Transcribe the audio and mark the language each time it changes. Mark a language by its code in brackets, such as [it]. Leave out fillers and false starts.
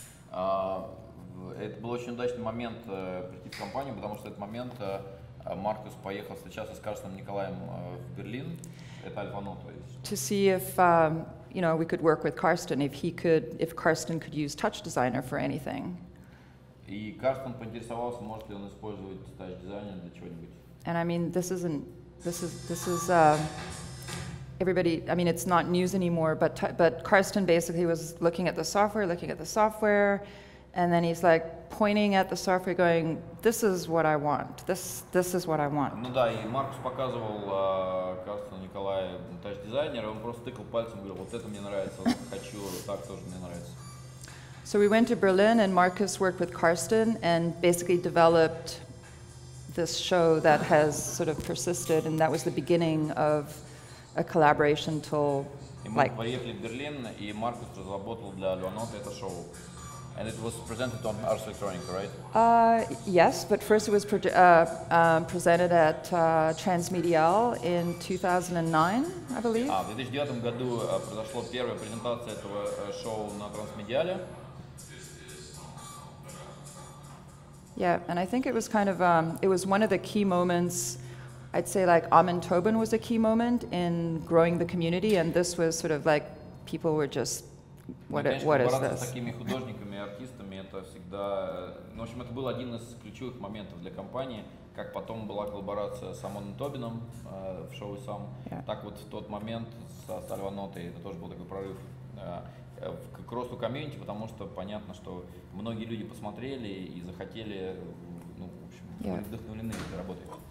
[ru] Это был очень удачный момент прийти в компанию, потому что в этот момент Маркус поехал встречаться с Карстеном Николаем в Берлин. Это Альфа-Но, то есть. [en] To see if you know, we could work with Karsten, if Karsten could use TouchDesigner for anything. [ru] И Карстен поинтересовался, может ли он использовать TouchDesigner для чего-нибудь. [en] And I mean, this is everybody, I mean, it's not news anymore, but Karsten basically was looking at the software, and then he's like pointing at the software going, this is what I want, this is what I want. [ru] Ну да, и Маркус показывал Карстену Николаю TouchDesigner, он просто тыкал пальцем, говорил, вот это мне нравится, хочу, так тоже мне нравится. [en] So we went to Berlin, and Marcus worked with Karsten, and basically developed this show that has sort of persisted, and that was the beginning of a collaboration tool. [ru] И мы [en] like, [ru] поехали в Берлин, и Маркус разработал для Альванота это шоу. [en] And it was presented on Ars Electronica, right? Yes, but first it was presented at Transmedial in 2009, I believe. [ru] В 2009 году произошла первая презентация этого шоу на Трансмедиале. [en] Yeah, and I think it was kind of it was one of the key moments. I'd say like Amen Tobin was a key moment in growing the community, and this was sort of like people were just what is this? [ru] С такими художниками, артистами это всегда, в общем, это был один из ключевых моментов для компании, как потом была коллаборация с Амоном Тобином в шоу сам. Так вот в тот момент со Альванотой это тоже был такой прорыв к росту комьюнити, потому что понятно, что многие люди посмотрели и захотели, ну, в общем, были вдохновлены этой работой.